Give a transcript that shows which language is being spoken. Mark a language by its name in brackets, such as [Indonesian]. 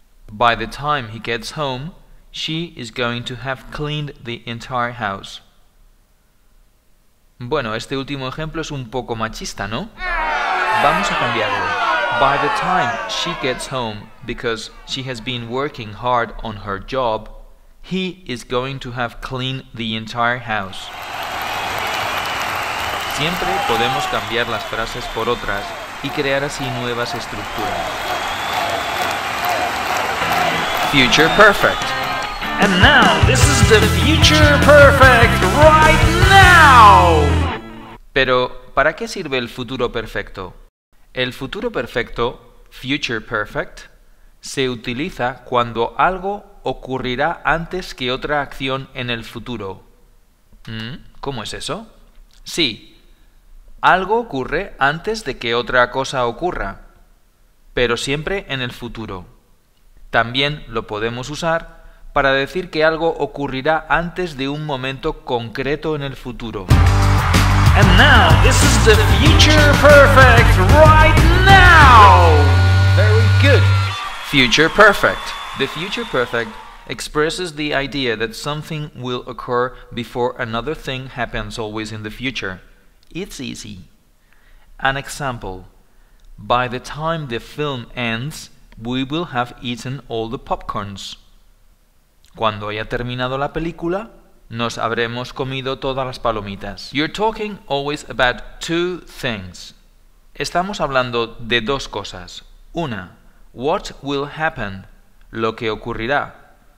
[English] By the time he gets home, she is going to have cleaned the entire house. [Spanish] Bueno, este último ejemplo es un poco machista, ¿no? Vamos a cambiarlo. [English] By the time she gets home, because she has been working hard on her job, he is going to have cleaned the entire house. [Spanish] Siempre podemos cambiar las frases por otras y crear así nuevas estructuras. [English] Future Perfect. And now, this is the Future Perfect right now! [Spanish] Pero, ¿para qué sirve el futuro perfecto? El futuro perfecto, Future Perfect, se utiliza cuando algo ocurrirá antes que otra acción en el futuro. ¿Cómo es eso? Sí, algo ocurre antes de que otra cosa ocurra, pero siempre en el futuro. También lo podemos usar para decir que algo ocurrirá antes de un momento concreto en el futuro. [English] And now, this is the future perfect right now. Very good. Future perfect. The future perfect expresses the idea that something will occur before another thing happens always in the future. It's easy. An example. By the time the film ends, we will have eaten all the popcorns. [Spanish] Cuando haya terminado la película, nos habremos comido todas las palomitas. [English] You're talking always about two things. [Spanish] Estamos hablando de dos cosas. Una, [English] what will happen? [Spanish] Lo que ocurrirá.